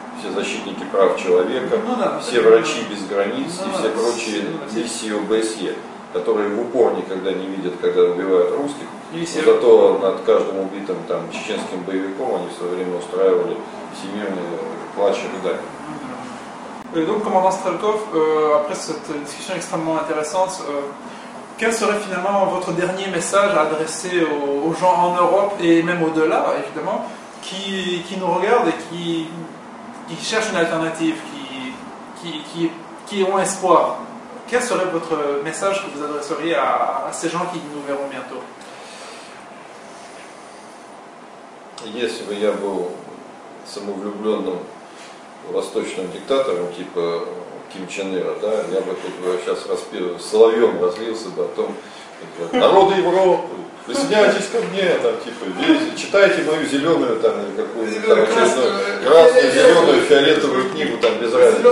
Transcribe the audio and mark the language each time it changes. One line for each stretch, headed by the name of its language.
Russian: Все защитники прав человека, ну, да, все врачи без границ, ну, и все прочие миссии ОБСЕ, которые в упор никогда не видят, когда убивают русских. Но зато над каждым убитым там, чеченским боевиком они в свое время устраивали всемирные плачи и рыдания.
French: Et donc, commandant Strelkov, après cette discussion extrêmement intéressante, quel serait finalement votre dernier message à adresser aux gens en Europe et même au-delà, évidemment, qui nous regardent et qui cherchent une alternative, qui ont espoir? Quel serait votre message que vous adresseriez à ces gens qui nous verront bientôt?
Russian: Если бы я был самовлюбленным восточным диктатором типа Ким Чен Ира, да, я бы тут сейчас соловьем разлился бы о том, народы Европы, присоединяйтесь ко мне, там, типа, видите, читайте мою зеленую там или какую-нибудь там, красную, зеленую, фиолетовую книгу, там без разницы.